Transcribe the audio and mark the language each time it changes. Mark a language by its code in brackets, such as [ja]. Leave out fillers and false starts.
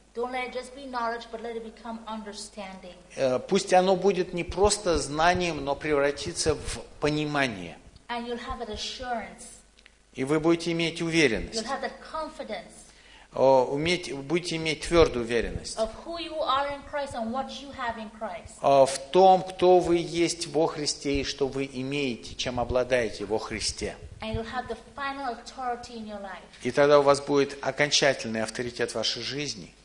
[en] Don't let it just be knowledge, but let it become understanding. [ru] Пусть оно будет не просто знанием, но превратится в понимание. [en] And you'll have an assurance. [ru] И вы будете иметь уверенность. [en] You'll have that confidence. [ru] Будете иметь твердую уверенность. [en] Of who you are in Christ and what you have in Christ. [ru] В том, кто вы есть во Христе и что вы имеете, чем обладаете во Христе. [en] And you'll have the final authority in your life. [ru] И тогда у вас будет окончательный авторитет в вашей жизни.